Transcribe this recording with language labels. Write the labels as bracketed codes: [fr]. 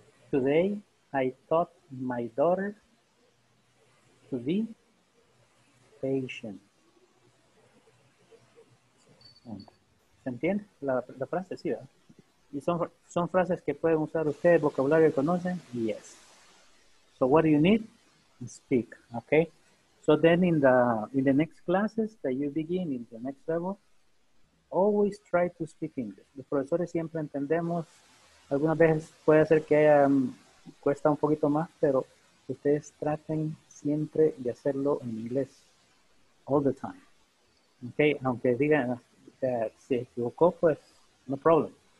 [en] Today I taught my daughter to be patient. [es] ¿Se entiende la frase? Sí, ¿verdad? Y son frases que pueden usar ustedes, vocabulario que conocen. [en] Yes. So what do you need? Speak. Okay. So then in the next classes that you begin in the next level, always try to speak English. [es] Los profesores siempre entendemos. Algunas veces puede ser que cuesta un poquito más, pero ustedes traten siempre de hacerlo en inglés. [en] All the time. Okay. [es] Aunque digan, si se equivocó, pues [en] no problem.